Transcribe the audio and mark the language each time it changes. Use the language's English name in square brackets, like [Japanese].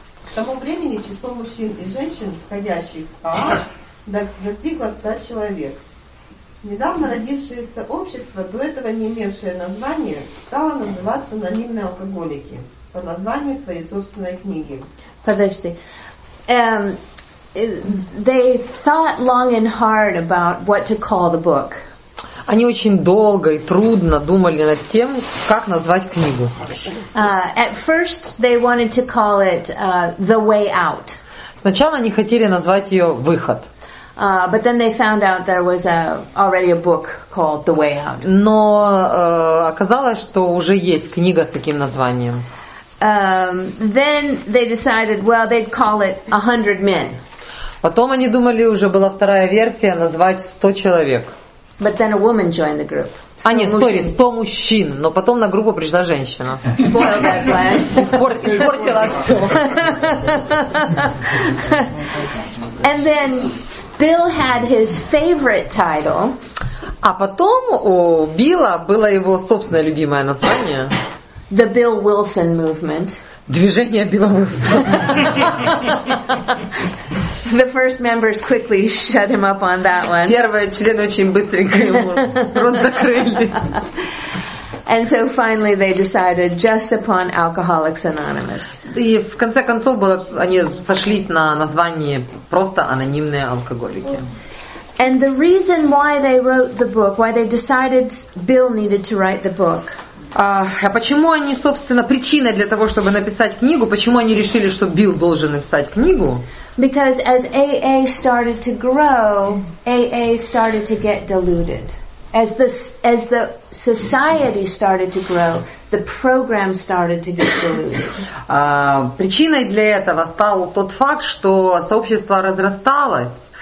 [Russian] К тому времени число мужчин и женщин, входящих в АА, достигло 100 человек. Недавно родившееся общество, до этого не имевшее названия, стало называться «Анонимные алкоголики» по названию своей собственной книги. Подожди. [English] They thought long and hard about what to call the book. [Russian] Они очень долго и трудно думали над тем, как назвать книгу. [English] At first they wanted to call it The Way Out. [Russian] Сначала они хотели назвать ее «Выход». [English] But then they found out there was already a book called The Way Out. [Russian] Но оказалось, что уже есть книга с таким названием. [English] Then they decided, well, they'd call it 100 Men. [Russian] Потом они думали, уже была вторая версия, назвать 100 человек. [English] But then a woman joined the group. [Russian] А нет, сори, 100 мужчин, но потом на группу пришла женщина. [English] Spoiled that plan. [Russian] Испортила все. [English] And then Bill had his favorite title. [Russian] А потом у Билла было его собственное любимое название. [English] The Bill Wilson Movement. [Russian] Движение Билла Уилсона. [English] The first members quickly shut him up on that one. [Russian] Первые члены очень быстренько ему рот закрыли. [English] And so finally they decided just upon Alcoholics Anonymous. [Russian] И в конце концов было, они сошлись на названии просто анонимные алкоголики. [English] And the reason why they wrote the book, why they decided Bill needed to write the book. [Russian] А почему они, собственно, причиной для того, чтобы написать книгу, почему они решили, что Билл должен написать книгу? [English] Because as AA started to grow, AA started to get diluted. As the society started to grow, the program started to get diluted. [Russian] Причиной для этого стал тот факт, что сообщество разрасталось.